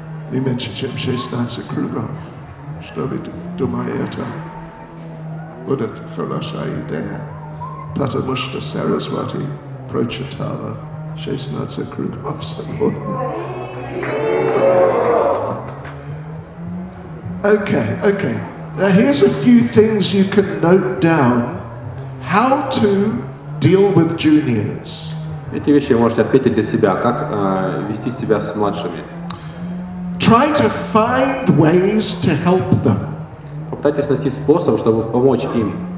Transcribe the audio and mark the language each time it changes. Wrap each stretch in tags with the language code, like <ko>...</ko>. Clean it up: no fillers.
<ru>Не меньше, чем 16 кругов. Что вы думаете, это будет хорошая идея? Потому что Сарасвати прочитала 16 кругов сегодня.</ru> <en>Okay. Now here's a few things you can note down. How to deal with juniors.</en> <ru>Эти вещи вы можете отметить для себя, как вести себя с младшими.</ru> <en>Try to find ways to help them.</en> <ru>Попытайтесь найти способ, чтобы помочь им.</ru>